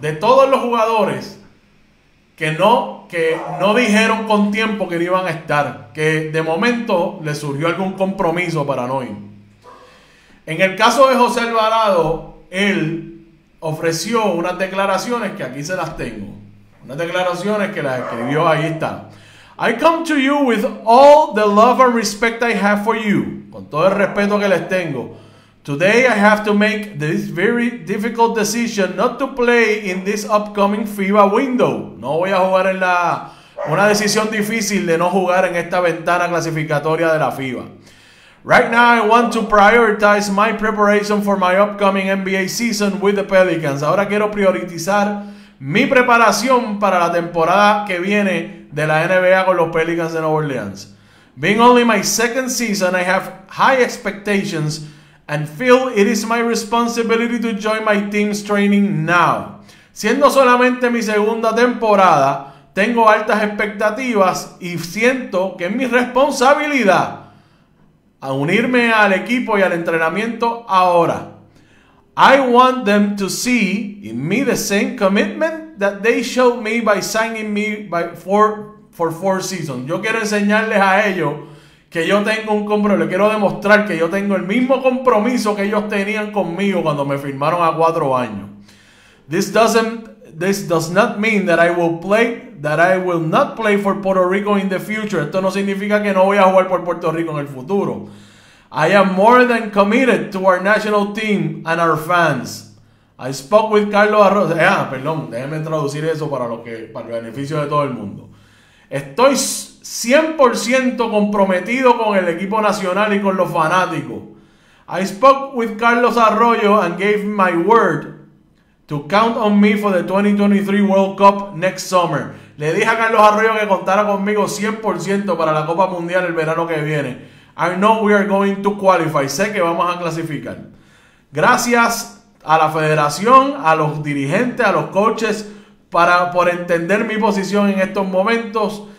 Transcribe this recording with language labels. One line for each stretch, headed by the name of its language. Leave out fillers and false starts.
Spanish: De todos los jugadores que no dijeron con tiempo que iban a estar. Que de momento les surgió algún compromiso para no ir. En el caso de José Alvarado, él ofreció unas declaraciones que aquí se las tengo. Unas declaraciones que las escribió, ahí está.
English: I come to you with all the love and respect I have for you.
Spanish: Con todo el respeto que les tengo.
English: Today I have to make this very difficult decision not to play in this upcoming FIBA window.
Spanish: No voy a jugar en una decisión difícil de no jugar en esta ventana clasificatoria de la FIBA.
English: Right now, I want to prioritize my preparation for my upcoming NBA season with the Pelicans.
Spanish: Ahora quiero priorizar mi preparación para la temporada que viene de la NBA con los Pelicans de Nueva Orleans.
English: Being only my second season, I have high expectations and feel it is my responsibility to join my team's training now.
Spanish: Siendo solamente mi segunda temporada, tengo altas expectativas y siento que es mi responsabilidad a unirme al equipo y al entrenamiento ahora.
English: I want them to see in me the same commitment that they showed me by signing me for four seasons.
Spanish: Yo quiero enseñarles a ellos que yo tengo un compromiso. Le quiero demostrar que yo tengo el mismo compromiso que ellos tenían conmigo cuando me firmaron a 4 años.
English: This does not mean that I will not play for Puerto Rico in the future.
Spanish: Esto no significa que no voy a jugar por Puerto Rico en el futuro.
English: I am more than committed to our national team and our fans. I spoke with Carlos Arroyo.
Spanish: Déjeme traducir eso para el beneficio de todo el mundo. Estoy 100% comprometido con el equipo nacional y con los fanáticos.
English: I spoke with Carlos Arroyo and gave my word to count on me for the 2023 World Cup next summer.
Spanish: Le dije a Carlos Arroyo que contara conmigo 100% para la Copa Mundial el verano que viene.
English: I know we are going to qualify.
Spanish: Sé que vamos a clasificar. Gracias a la federación, a los dirigentes, a los coaches, por entender mi posición en estos momentos.